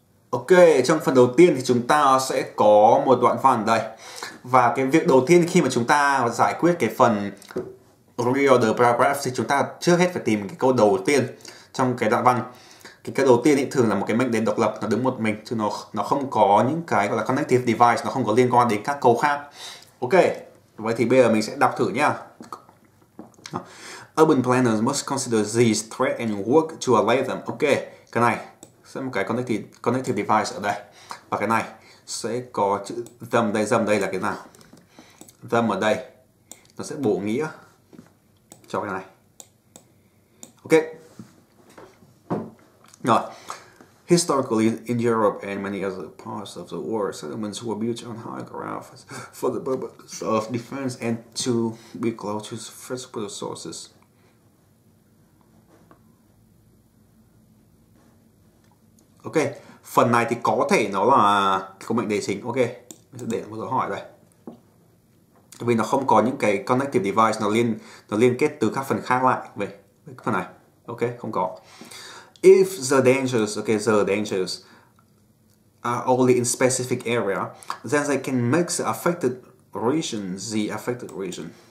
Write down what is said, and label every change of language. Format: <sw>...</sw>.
<vi>Ok, trong phần đầu tiên thì chúng ta sẽ có một đoạn văn đây, và cái việc đầu tiên khi mà chúng ta giải quyết cái phần reorder paragraph thì chúng ta trước hết phải tìm cái câu đầu tiên trong cái đoạn văn. Cái câu đầu tiên thì thường là một cái mệnh đề độc lập, nó đứng một mình chứ nó không có những cái gọi là connective device, nó không có liên quan đến các câu khác. Ok, vậy thì bây giờ mình sẽ đọc thử nhá.</vi> <en>Urban planners must consider these threats and work to allay them.</en> <vi>Ok, cái này sẽ một cái connective device ở đây, và cái này sẽ có chữ them đây. Them đây là cái nào? Them ở đây nó sẽ bổ nghĩa cho cái này.</vi> <en>Ok</en> <vi>rồi,</vi> <en>historically in Europe and many other parts of the world, settlements were built on high ground for the purpose of defense and to be close to fresh water sources.</en> <vi>Ok, phần này thì có thể nó là có mệnh đề chính. Ok, mình sẽ để một dấu hỏi đây. Vì nó không có những cái connective device, nó liên kết từ các phần khác lại về cái phần này. Ok, không có.</vi> <en>If the dangers, the dangers are only in specific area, then they can make the affected region.</en>